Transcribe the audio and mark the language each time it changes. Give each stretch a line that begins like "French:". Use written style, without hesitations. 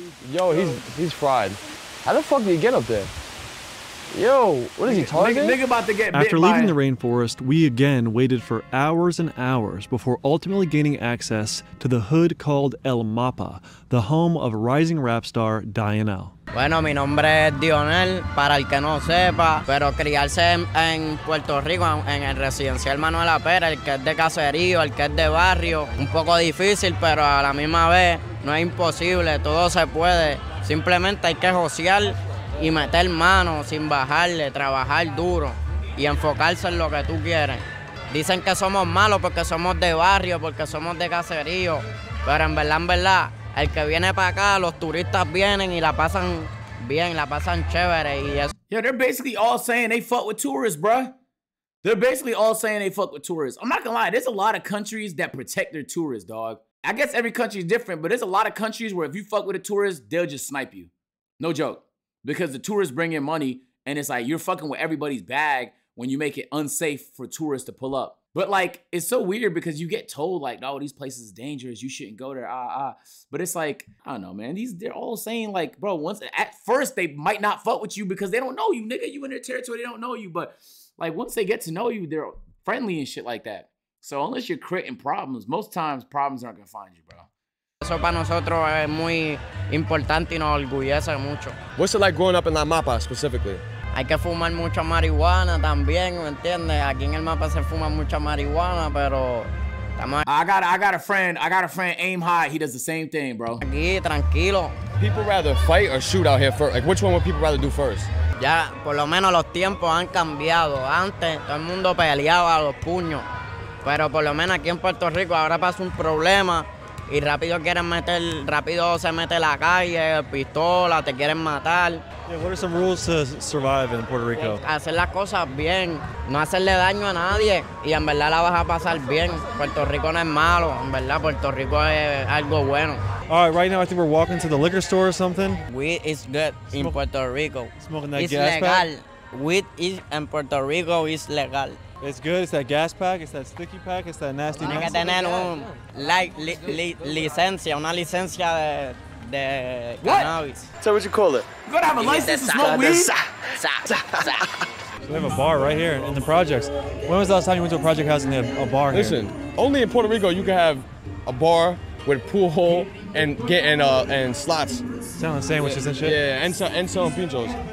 English: Yo, he's fried. How the fuck did he get up there? Yo, what is he talking? Nigga about to get bit. After leaving the rainforest, we again waited for hours and hours before ultimately gaining access to the hood called El Mapa, the home of rising rap star Dionel.
Spanish: Bueno, mi nombre es Dionel, para el que no sepa, pero criarse en Puerto Rico, en el residencial Manuel Apera, el que es de caserío, el que es de barrio, un poco difícil, pero a la misma vez no es imposible, todo se puede, simplemente hay que josear y meter mano sin bajarle, trabajar duro y enfocarse en lo que tú quieres. Dicen que somos malos porque somos de barrio, porque somos de caserío, pero en verdad, el que viene para acá, los turistas vienen y la pasan bien, la pasan chévere y eso.
English: Yeah, they're basically all saying they fuck with tourists, bro. They're basically all saying they fuck with tourists. I'm not gonna lie, there's a lot of countries that protect their tourists, dog. I guess every country is different, but there's a lot of countries where if you fuck with a tourist, they'll just snipe you. No joke. Because the tourists bring in money, and it's like you're fucking with everybody's bag when you make it unsafe for tourists to pull up. But, like, it's so weird because you get told, like, oh, these places are dangerous. You shouldn't go there. But it's like, I don't know, man. They're all saying, like, bro, once at first they might not fuck with you because they don't know you, nigga. You in their territory, they don't know you. But, like, once they get to know you, they're friendly and shit like that. So unless you're creating problems, most times problems aren't going to find you, bro.
Spanish: Eso para nosotros es muy importante y nos orgullece mucho.
English: What's it like growing up in La Mapa specifically?
Spanish: Hay que fumar mucha marihuana también, ¿me entiendes? Aquí en el mapa se fuma mucha marihuana, pero
English: I got a friend, aim high, he does the same thing, bro.
Spanish: Aquí, tranquilo.
English: People rather fight or shoot out here first? Like, which one would people rather do first?
Spanish: Ya, por lo menos los tiempos han cambiado. Antes, todo el mundo peleaba a los puños. Pero por lo menos aquí en Puerto Rico ahora pasa un problema. Y rápido quieren meter, rápido se mete la calle, pistola, te quieren matar.
English: Yeah, what are some rules to survive in Puerto Rico?
Spanish: Hacer las cosas bien, no hacerle daño a nadie, y en verdad la vas a pasar bien. Puerto Rico no es malo, en verdad, Puerto Rico es algo bueno.
English: All right, right now I think we're walking to the liquor store or something. Weed is good in Puerto Rico. Smoking that it's gas legal. Pack? Weed is in Puerto Rico is legal. It's good, it's that gas pack, it's that sticky pack, it's that nasty mess.
Spanish: Hay que tener un, like, licencia, una licencia de cannabis.
English: So what you call it? You gotta have a license to smoke weed? So we have a bar right here in the projects. When was the last time you went to a project house and they had a bar here? Listen, only in Puerto Rico you can have a bar with pool hole and get and slots. Selling sandwiches and shit? Yeah, and selling pinchos.